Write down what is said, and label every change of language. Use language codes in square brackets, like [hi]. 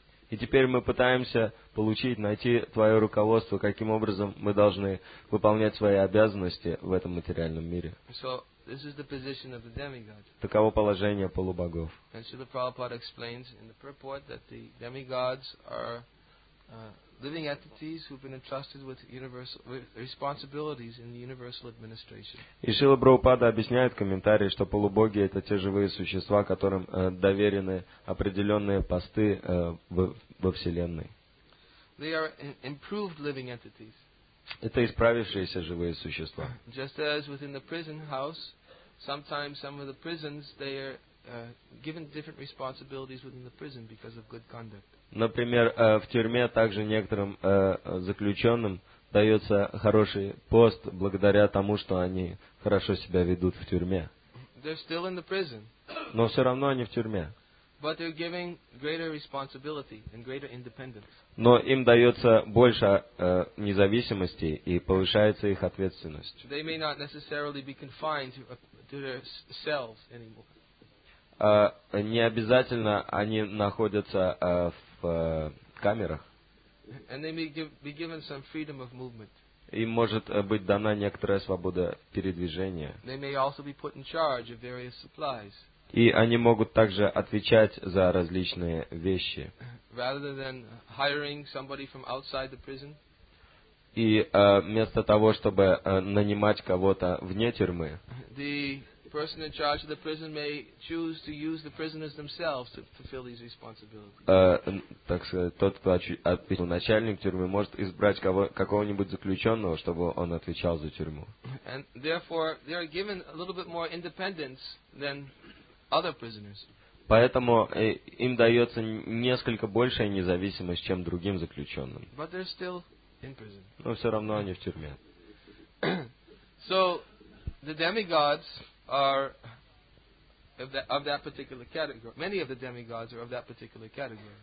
[ru] И теперь мы пытаемся получить, найти твое руководство, каким образом мы должны выполнять свои обязанности в этом материальном мире. [en] So, this is the position of the demigod. [ru] Таково положение полубогов. [en] And Srila Prabhupada explains in the purport that the demigods are living entities who've been entrusted with universal responsibilities in the universal administration. [ru] И Шрила Прабхупада объясняет в комментарии, что полубоги — это те живые существа, которым доверены определенные посты во Вселенной. [en] They are improved living entities. [ru] Это исправившиеся живые существа. [en] Just as within the prison house, sometimes some of the prisons, they are given different responsibilities within the prison because of good conduct. [ru] Например, в тюрьме также некоторым заключенным дается хороший пост благодаря тому, что они хорошо себя ведут в тюрьме. [en] They're still in the prison. [ru] Но все равно они в тюрьме. [en] But they're giving greater responsibility and greater independence. [ru] Но им дается больше независимости и повышается их ответственность. [en] They may not necessarily be confined to their cells anymore. [ru] Не обязательно они находятся в камерах. [en] And they may be given some freedom of movement. [ru] Им может быть дана некоторая свобода передвижения. [en] They may also be put in charge of various supplies. [ru] И они могут также отвечать за различные вещи. [en] Rather than hiring somebody from outside the prison. [ru] И вместо того, чтобы нанимать кого-то вне тюрьмы, [en] the person in charge of the prison may choose to use the prisoners themselves to fulfill these responsibilities. [ru] Так сказать, тот, кто ответил, начальник тюрьмы, может избрать какого-нибудь заключенного, чтобы он отвечал за тюрьму. [en] And therefore, they are given a little bit more independence than other prisoners. [ru] Поэтому им дается несколько большая независимость, чем другим заключенным. [en] But they're still in prison. [ru] Но все равно они в тюрьме. [en] So, the demigods are of that particular category. Many of the demigods are of that particular category.